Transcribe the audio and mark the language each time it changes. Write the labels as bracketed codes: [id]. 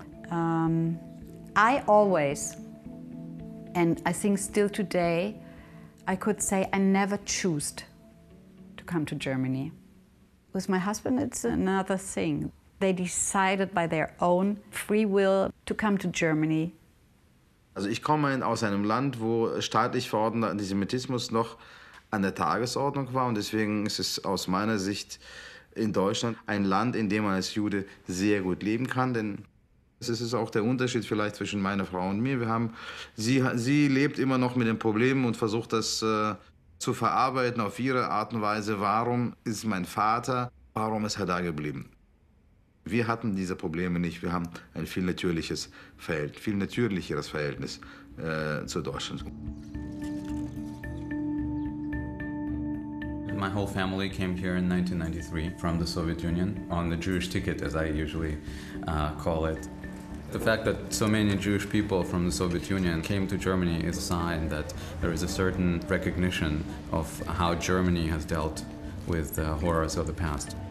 [en] I always, and I think still today, I could say I never chose to come to Germany. With my husband, it's another thing. They decided by their own free will to come to Germany. [de] Also ich komme aus einem Land, wo staatlich verordneter Antisemitismus noch an der Tagesordnung war. Und deswegen ist es aus meiner Sicht in Deutschland ein Land, in dem man als Jude sehr gut leben kann. Denn es ist auch der Unterschied vielleicht zwischen meiner Frau und mir. Sie lebt immer noch mit den Problemen und versucht das zu verarbeiten auf ihre Art und Weise. Warum ist mein Vater, warum ist er da geblieben? Wir hatten diese Probleme nicht. Wir haben ein viel natürliches Verhältnis, viel natürlicheres Verhältnis zu Deutschland. [en] My whole family came here in 1993 from the Soviet Union on the Jewish ticket, as I usually call it. The fact that so many Jewish people from the Soviet Union came to Germany is a sign that there is a certain recognition of how Germany has dealt with the horrors of the past.